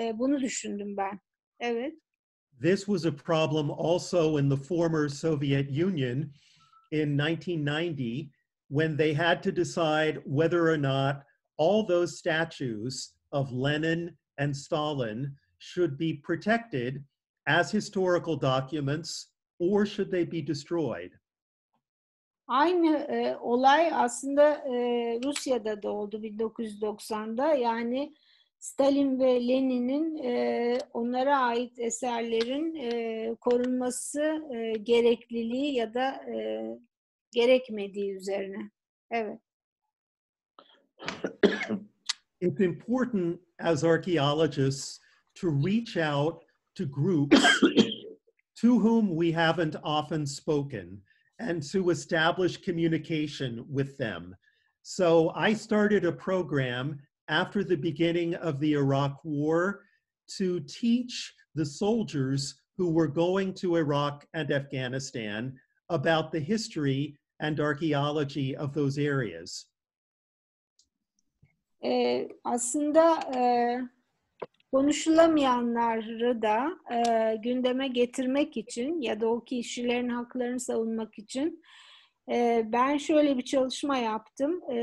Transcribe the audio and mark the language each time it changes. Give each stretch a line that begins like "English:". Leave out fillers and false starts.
Turkish: Bunu düşündüm ben. Evet.
English: This was a problem also in the former Soviet Union in 1990, when they had to decide whether or not all those statues of Lenin and Stalin should be protected as historical documents or should they be destroyed.
Turkish: Aynı olay aslında Rusya'da da oldu 1990'da. Yani Stalin ve Lenin'in onlara ait eserlerin korunması gerekliliği ya da gerekmediği üzerine. Evet.
English: It's important as archaeologists to reach out to groups to whom we haven't often spoken and to establish communication with them. So I started a program after the beginning of the Iraq War to teach the soldiers who were going to Iraq and Afghanistan about the history and archaeology of those areas.
Turkish: aslında konuşulamayanları da gündeme getirmek için ya da o kişilerin haklarını savunmak için ben şöyle bir çalışma yaptım.